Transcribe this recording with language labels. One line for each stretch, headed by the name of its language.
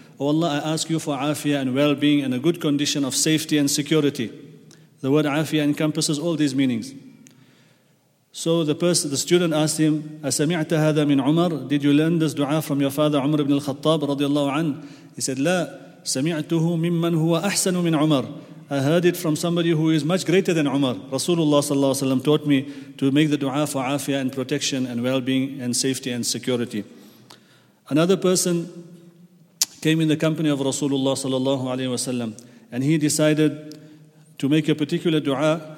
English: Oh Allah, I ask you for afiyah and well-being and a good condition of safety and security. The word afiyah encompasses all these meanings. So the student asked him,
Arabic: أَسَمِعْتَ هَذَا مِنْ عُمَرْ.
English: Did you learn this dua from your father Umar ibn al-Khattab radiallahu anhu? He said,
Arabic: لا سمعته ممن هو أحسن من عمر.
English: I heard it from somebody who is much greater than Umar. Rasulullah sallallahu alayhi wa sallam taught me to make the dua for afiyah and protection and well-being and safety and security. Another person came in the company of Rasulullah sallallahu alayhi wa sallam, and he decided to make a particular dua.